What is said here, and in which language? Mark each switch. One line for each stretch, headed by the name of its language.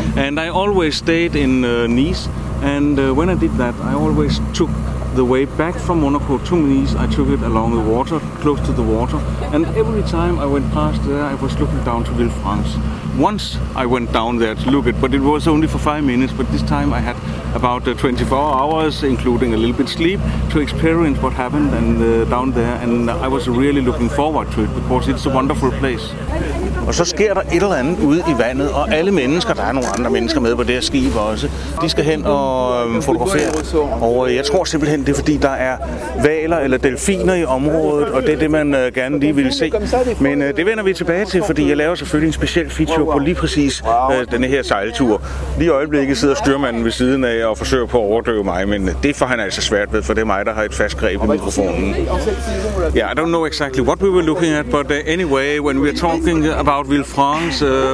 English: And I always stayed in Nice. And when I did that, I always took the way back from Monaco to Nice, I took it along the water, close to the water, and every time I went past there, I was looking down to Villefranche. Once I went down there to look at it, but it was only for 5 minutes, but this time I had about 24 hours, including a little bit sleep, to experience what happened and down there, and I was really looking forward to it, because it's a wonderful place.
Danish: Og så sker der et eller andet ude i vandet, og alle mennesker, der er nogle andre mennesker med på det her skib også, de skal hen og fotografere. Og jeg tror simpelthen, det er fordi, der er hvaler eller delfiner i området, og det er det, man gerne lige vil se. Men det vender vi tilbage til, fordi jeg laver selvfølgelig en speciel feature på lige præcis denne her sejltur. Lige i øjeblikket sidder styrmanden ved siden af og forsøger på at overdøve mig, men det får han altså svært ved, for det er mig, der har et fast greb i mikrofonen.
English: Yeah, I don't know exactly what we were looking at, but anyway, when we are talking about Villefranche,